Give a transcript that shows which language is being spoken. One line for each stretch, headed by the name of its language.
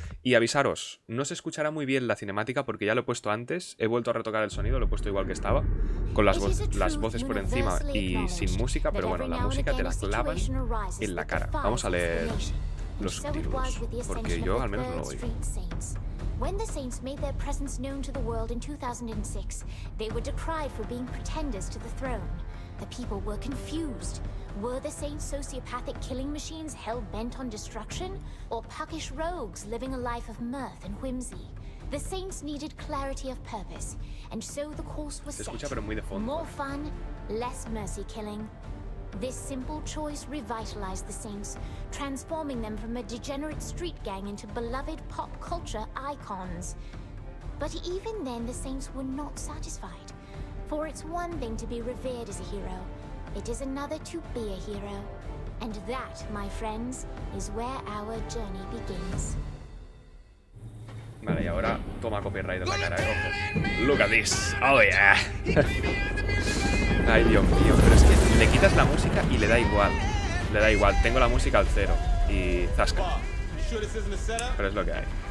Spanish: Y avisaros, no se escuchará muy bien la cinemática porque ya lo he puesto antes. He vuelto a retocar el sonido, lo he puesto igual que estaba, con las voces por encima y sin música, pero bueno, la música te la clavan en la cara. Vamos a leer los subtítulos porque yo al menos no lo oigo.
English: When the Saints made their presence known to the world in 2006, they were decried for being pretenders to the throne. The people were confused. Were the Saints sociopathic killing machines hell-bent on destruction, or puckish rogues living a life of mirth and whimsy? The Saints needed clarity of purpose, and so the course was set. More fun, less mercy killing. This simple choice revitalized the Saints, transforming them from a degenerate street gang into beloved pop culture icons. But even then, the Saints were not satisfied. For it's one thing to be revered as a hero, it is another to be a hero. And that, my friends, is where our journey begins.
Spanish: Vale, y ahora toma copyright en la cara, ojo.
English: Look at this. Oh yeah.
Spanish: Ay, Dios mío, pero es que le quitas la música y le da igual. Le da igual, tengo la música al cero. Y zasca. Pero es lo que hay.